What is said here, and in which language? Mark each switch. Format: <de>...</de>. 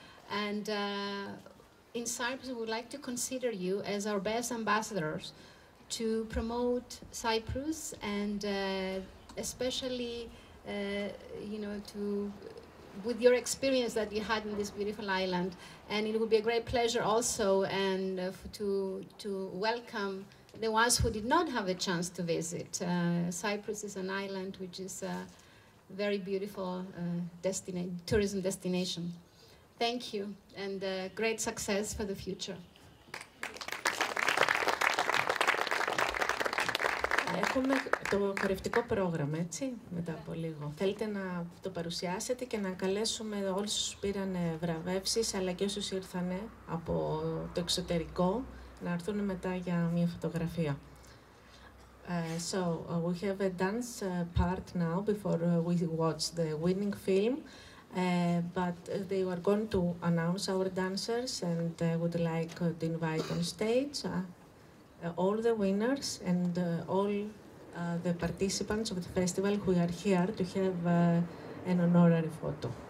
<en>And in Cyprus, we would like to consider you as our best ambassadors to promote Cyprus and especially you know, to with your experience that you had in this beautiful island, and it would be a great pleasure also and to welcome the ones who did not have a chance to visit. Cyprus is an island which is a very beautiful tourism destination. Thank you, and great success for the future.</en> <el>Έχουμε το χορευτικό πρόγραμμα, έτσι, μετά από λίγο. Θέλετε να το παρουσιάσετε και να καλέσουμε όλους όσους πήραν βραβεύσεις, αλλά και όσους ήρθαν από το εξωτερικό, να έρθουν μετά για μια φωτογραφία.</el> <en>So, we have a dance part now before we watch the winning film, but they were going to announce our dancers and would like to invite on stage. All the winners and all the participants of the festival who are here to have an honorary photo.</en>